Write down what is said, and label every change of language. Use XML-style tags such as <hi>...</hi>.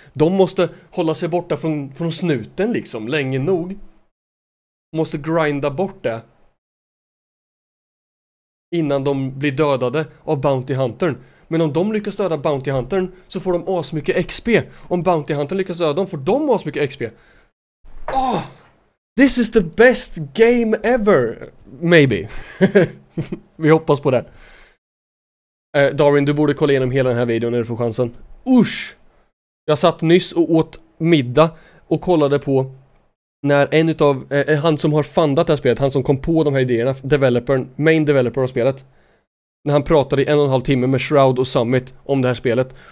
<sv>De måste hålla sig borta från snuten liksom, länge nog. Måste grinda bort det. Innan de blir dödade av bounty huntern. Men om de lyckas döda bounty huntern så får de asmycket XP. Om bounty huntern lyckas döda dem får de asmycket XP.</sv> <en>Oh, this is the best game ever. Maybe.</en> <sv>Vi hoppas på det. Darwin, du borde kolla igenom hela den här videon när du får chansen. Usch! Jag satt nyss och åt middag och kollade på när en utav, han som har fundat det här spelet, han som kom på de här idéerna, developern, main developer av spelet, när han pratade i 1,5 timme med Shroud och Summit om det här spelet.</sv>